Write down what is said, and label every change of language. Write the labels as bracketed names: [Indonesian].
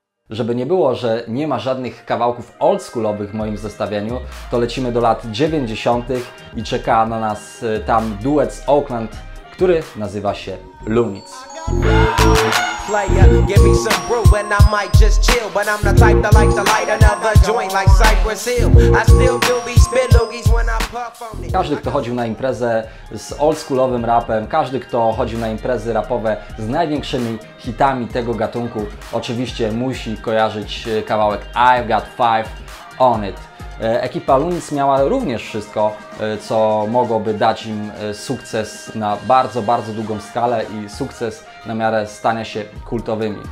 [Polish] Żeby nie było, że nie ma żadnych kawałków oldschoolowych w moim zestawieniu, to lecimy do lat 90. i czeka na nas tam duet z Oakland, który nazywa się Lunic. [English] Player, give me some brew and I might just chill. But I'm the type that likes to light another joint like Cypress Hill. I still do be spit loogies when I puff on it. [Polish] Każdy, kto chodził na imprezę z oldschoolowym rapem, każdy, kto chodził na imprezy rapowe z największymi hitami tego gatunku, oczywiście musi kojarzyć kawałek I've Got Five on It. Ekipa Lunic miała również wszystko, co mogłoby dać im sukces na bardzo, bardzo długą skalę i sukces na miarę stania się kultowymi.